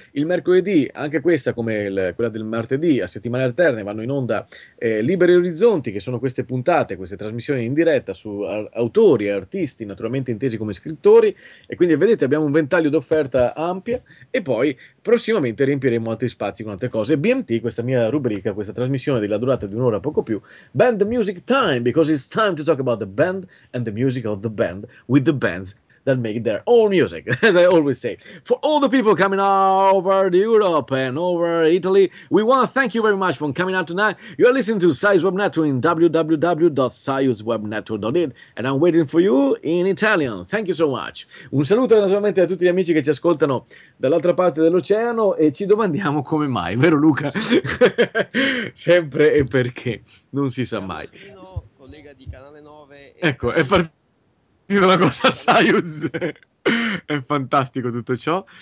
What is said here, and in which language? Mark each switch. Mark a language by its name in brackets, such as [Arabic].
[Italian] Il mercoledì, anche questa come quella del martedì, a settimane alterne vanno in onda Liberi Orizzonti, che sono queste puntate, queste trasmissioni in diretta su autori e artisti, naturalmente intesi come scrittori, e quindi vedete abbiamo un ventaglio d'offerta ampia. E poi prossimamente riempiremo altri spazi con altre cose. BMT, questa mia rubrica, questa trasmissione della durata di un'ora poco più, [English] Band Music Time, because it's time to talk about the band and the music of the band with the bands that make their own music, as I always say. For all the people coming over the Europe and over Italy, we want to thank you very much for coming out tonight. You are listening to Saius Web Network in www.saiuswebnetwork.it, and I'm waiting for you in Italian. Thank you so much. [Italian] Un saluto naturalmente a tutti gli amici che ci ascoltano dall'altra parte dell'oceano, e ci domandiamo come mai, vero Luca? Sempre e perché, non si sa mai. Collega di Canale 9. Ecco, è partito. Dico una cosa, Saius, è fantastico tutto ciò.